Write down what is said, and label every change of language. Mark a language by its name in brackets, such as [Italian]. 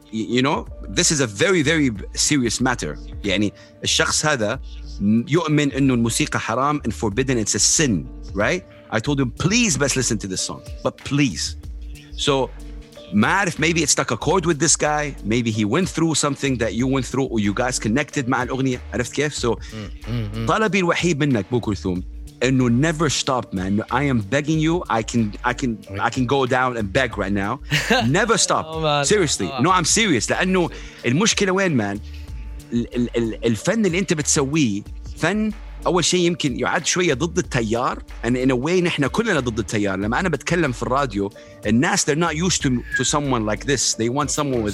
[English] you know, this is a very, very serious matter. [Arabic] يعني الشخص هذا يؤمن إنه الموسيقى حرام [English] and forbidden. It's a sin, right? I told him, please, best listen to this song, but please. So, mad if maybe it stuck a chord with this guy. Maybe he went through something that you went through, or you guys connected [Arabic] مع الأغنية. عرفت كيف؟ [English] So, [Arabic] طلبي الوحيد منك بو كلثوم. [English] And no, never stop, man. I am begging you. I can go down and beg right now. Never stop. Oh, man. Seriously. Oh, wow. No, I'm serious. [Arabic] لأنه المشكلة وين, [English] man؟ [Arabic] الفن اللي أنت بتسويه فن أول شيء يمكن يعد شوية ضد التيار. [English] And in a way, [Arabic] نحن كلنا ضد التيار. لما أنا بتكلم في الراديو, الناس [English] they're not used to someone like this. They want someone with.